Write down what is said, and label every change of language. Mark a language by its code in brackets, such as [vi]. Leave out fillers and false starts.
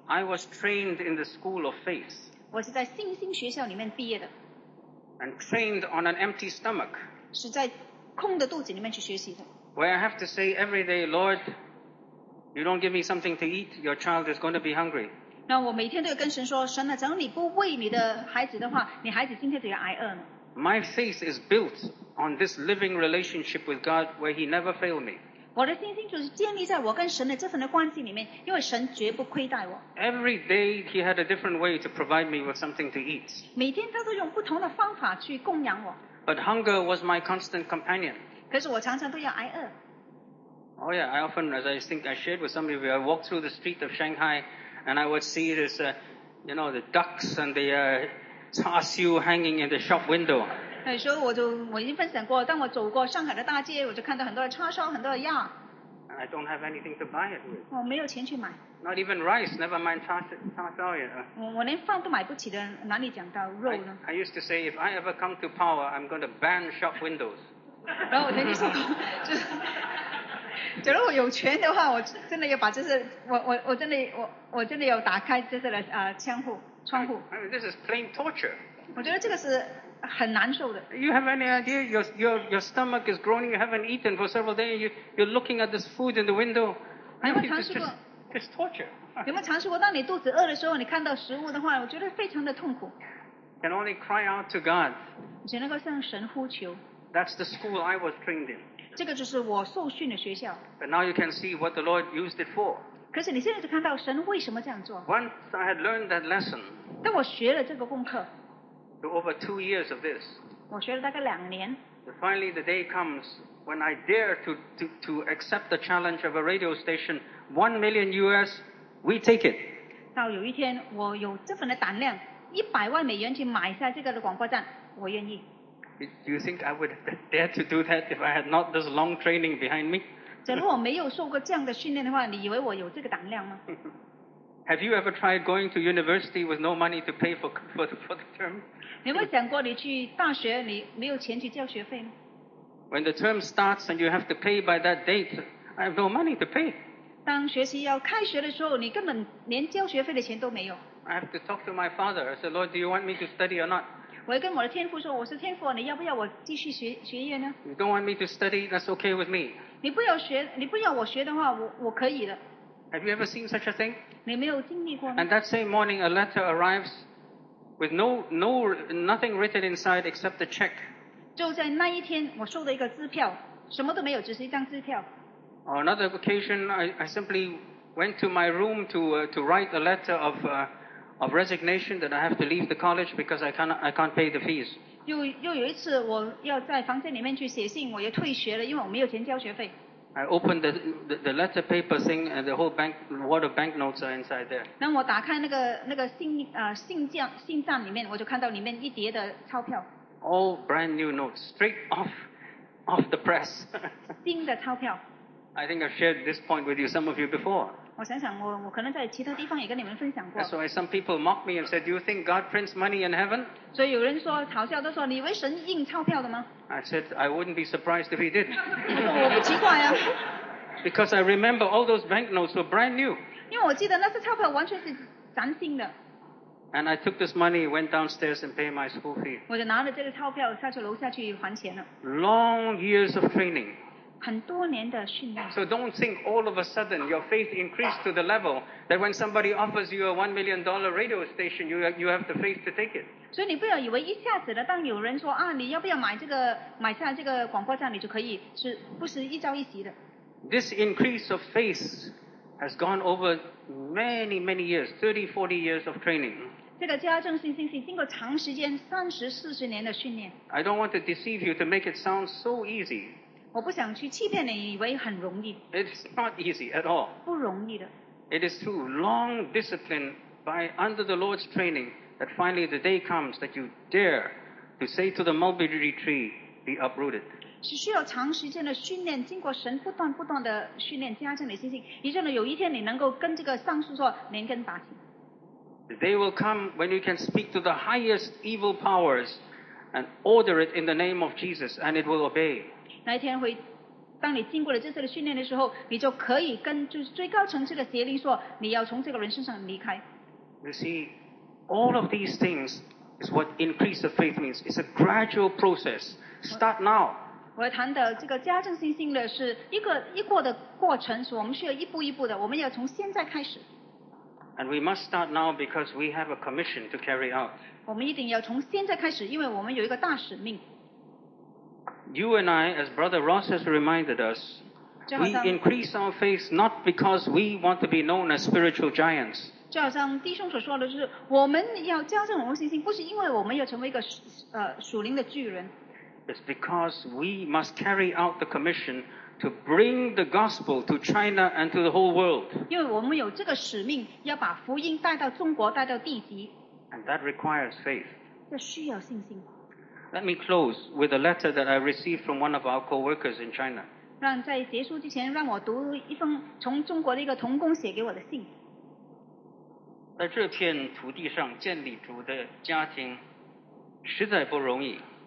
[en] I was trained in the school of faith. [zh] 我是在信心学校里面毕业的。 [en] And trained on an empty stomach. [zh] 是在空的肚子里面去学习的。 [en] Where I have to say every day, Lord, you don't give me something to eat, your child is going to be hungry. [zh] 那我每天都要跟神说，神啊，只要你不喂你的孩子的话，你孩子今天就要挨饿呢。 [en] My faith is built on this living relationship with God, where He never failed me. [zh] 我的信心就是建立在我跟神的这份的关系里面，因为神绝不亏待我。 [en] Every day He had a different way to provide me with something to eat. [zh] 每天他都用不同的方法去供养我。 [en] But hunger was my constant companion. [zh] 可是我常常都要挨饿。 [en] Oh yeah, I often, as I think I shared with some of you, I walked through the street of Shanghai, and I would see this, you know, the ducks and the char siu hanging in the shop window. [zh] 那时候我已经分享过，当我走过上海的大街，我就看到很多的叉烧，很多的鸭。 [en] And I don't have anything to buy it with. [zh] 我没有钱去买。 [en] Not even rice, never mind cha sao yet. [zh] 我连饭都买不起的，哪里讲到肉呢？ [en] I used to say, if I ever come to power, I'm going to ban shop windows. [zh] 然后我曾经说过，就是，假如我有权的话，我真的要把这些，我真的要打开这些的窗户。 [en] I mean, this is plain torture. [zh] 我觉得这个是很难受的。 [en] You have any idea? Your stomach is groaning. You haven't eaten for several days. You're looking at this food in the window. [zh] 有没有尝试过？ [en] It's torture. [zh] 有没有尝试过？当你肚子饿的时候，你看到食物的话，我觉得非常的痛苦。 [en] Can only cry out to God. [zh] 只能够向神呼求。 [en] That's the school I was trained in. [zh] 这个就是我受训的学校。 [en] But now you can see what the Lord used it for. [zh] 可是你现在就看到神为什么这样做。 [en] Once I had learned that lesson. [zh] 当我学了这个功课。 [en] Over 2 years of this. [zh] 我学了大概两年。 [en] Finally, the day comes when I dare to accept the challenge of a radio station. $1 million, we take it. [zh] 到有一天我有这份的胆量，$100,000去买下这个的广播站，我愿意。 [en] Do you think I would dare to do that if I had not this long training behind me? [zh] 假如我没有受过这样的训练的话，你以为我有这个胆量吗？ [en] Have you ever tried going to university with no money to pay for the term? [zh] 你有没有想过你去大学，你没有钱去交学费吗？ [en] When the term starts and you have to pay by that date, I have no money to pay. [zh] 当学期要开学的时候，你根本连交学费的钱都没有。 [en] I have to talk to my father. I said, Lord, do you want me to study or not? [zh] 我跟我的天父说，我是天父，你要不要我继续学业呢？ [en] You don't want me to study? That's okay with me. [zh] 你不要我学的话，我可以的。 [en] Have you ever seen such a thing? [zh] 你没有经历过吗？ [en] And that same morning, a letter arrives with nothing written inside except a check. [zh] 就在那一天，我收了一个支票，什么都没有，只是一张支票。 [en] On another occasion, I simply went to my room to write a letter of resignation that I have to leave the college because I can't pay the fees. [zh] 又有一次，我要在房间里面去写信，我要退学了，因为我没有钱交学费。 [en] I opened the letter paper thing and the whole bank, wad of banknotes are inside there. [zh] 那我打开那个信件里面，我就看到里面一叠的钞票。 [en] All brand new notes, straight off the press. [zh] 新的钞票。 [en] I think I've shared this point with you, some of you before. [zh] 我想想，我可能在其他地方也跟你们分享过。 [en] That's why some people mock me and said, "Do you think God prints money in heaven?" [zh] 所以有人说嘲笑，都说你以为神印钞票的吗？ [en] I said, "I wouldn't be surprised if He did." [zh] 我不奇怪啊。 [en] Because I remember all those banknotes were brand new. [zh] 因为我记得那些钞票完全是崭新的。 [en] And I took this money, went downstairs and paid my school fee. [zh] 我就拿了这个钞票下去楼下去还钱了。 [en] Long years of training. [zh] 很多年的训练。 [en] So don't think all of a sudden your faith increased to the level that when somebody offers you a $1 million radio station, you have the faith to take it. [zh] 所以你不要以为一下子的，当有人说啊，你要不要买下这个广播站，你就可以，是不是一朝一夕的？ [en] This increase of faith has gone over many, many years, 30, 40 years of training. [zh] 这个加增信心是经过长时间，30、40年的训练。 [en] I don't want to deceive you to make it sound so easy. [zh] 我不想去欺骗你，以为很容易。 [en] It's not easy at all. [zh] 不容易的。 [en] It is through long discipline by under the Lord's training that finally the day comes that you dare to say to the mulberry tree, be uprooted. [zh] 是需要长时间的训练，经过神不断不断的训练，加强你的信心，以至呢有一天你能够跟这个桑树说连根拔起。 [en] The day will come when you can speak to the highest evil powers and order it in the name of Jesus, and it will obey. [zh] 那一天会，当你经过了这次的训练的时候，你就可以跟就是最高层次的邪灵说，你要从这个人身上离开。 [en] You see, all of these things is what increase of faith means. It's a gradual process. Start now. [zh] 我谈的这个加增信心的是一个一过的过程，是我们需要一步一步的，我们要从现在开始。 [en] And we must start now because we have a commission to carry out. [zh] 我们一定要从现在开始，因为我们有一个大使命。 [en] You and I, as Brother Ross has reminded us, we increase our faith not because we want to be known as spiritual giants. [zh] 就好像弟兄所说的，就是我们要加增我们信心，不是因为我们要成为一个属灵的巨人。 [en] It's because we must carry out the commission to bring the gospel to China and to the whole world. [zh] 因为我们有这个使命，要把福音带到中国，带到地极。 [en] And that requires faith. [zh] 这需要信心。 [en] Let me close with a letter that I received from one of our co-workers in China. [zh] 让在结束之前，让我读一封从中国的一个同工写给我的信。在这片土地上建立主的家庭，实在不容易。